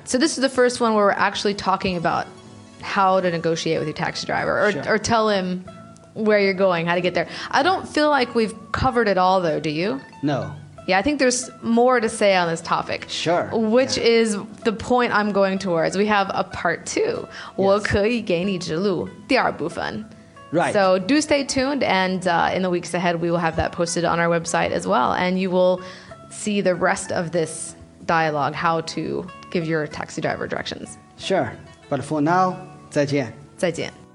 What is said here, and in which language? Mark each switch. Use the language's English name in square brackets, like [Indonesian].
[English] So this is the first one where we're actually talking about how to negotiate with your taxi driver or tell him where you're going, how to get there. I don't feel like we've covered it all though, do you? No. Yeah, I think there's more to say on this topic. Sure. Which is the point I'm going towards. We have a part two. [Chinese] 我可以给你指路第二部分。 [English] Right. So do stay tuned. And in the weeks ahead, we will have that posted on our website as well. And you will see the rest of this dialogue, how to give your taxi driver directions. Sure. But for now, [Chinese] 再见。再见。